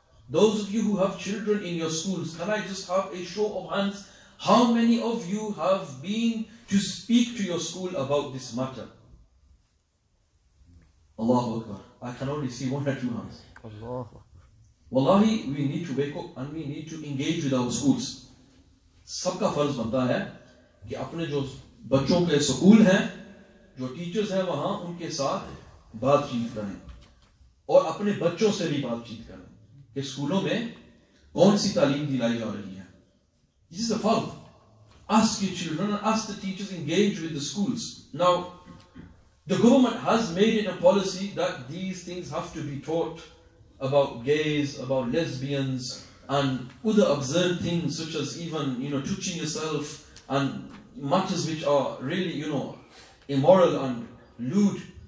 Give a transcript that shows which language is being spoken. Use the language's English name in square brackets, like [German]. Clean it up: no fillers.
[English] Those of you who have children in your schools, can I just have a show of hands? How many of you have been to speak to your school about this matter? Allahu Akbar. I can only see one or two hands. Allahu. Wallahi, we need to wake up and we need to engage with our schools. [Urdu] سب کا فرض بنتا ہے کی اپنے جو بچوں کے school ہیں، جو teachers ہیں وہاں، ان کے ساتھ بات چیت کریں. اور اپنے بچوں سے بھی بات چیت کریں. کے اسکولوں میں کون سی تعلیم دلائی جا رہی ہے. [English] This is the fard. Ask your children and ask the teachers, engage with the schools. Now, the government has made it a policy that these things have to be taught about gays, about lesbians, and other absurd things such as even, you know, touching yourself and matters which are really, you know, immoral and lewd.